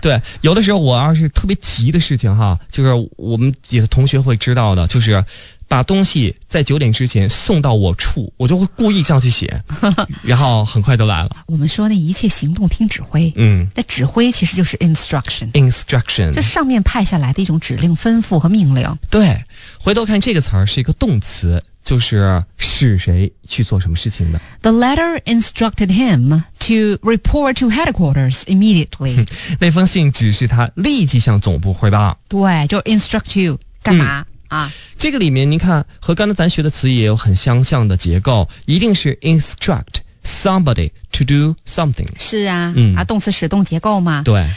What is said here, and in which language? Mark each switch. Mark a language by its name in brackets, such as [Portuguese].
[Chinese] 对，有的时候我要是特别急的事情哈，就是我们几个同学会知道的，就是把东西在九点之前送到我处，我就会故意这样去写，然后很快就来了。我们说那一切行动听指挥，嗯，那指挥其实就是 instruction， [English] instruction， [Chinese] 就上面派下来的一种指令、吩咐和命令。对，回头看这个词儿是一个动词，就是使谁去做什么事情的。 [English] The letter instructed him to report to headquarters immediately。 [Chinese] 那封信指示他立即向总部汇报。对，就 instruct you 干嘛？嗯啊，这个里面您看和刚才咱学的词也有很相像的结构，一定是 instruct somebody to do something。是啊、嗯、啊，动词使动结构嘛。对，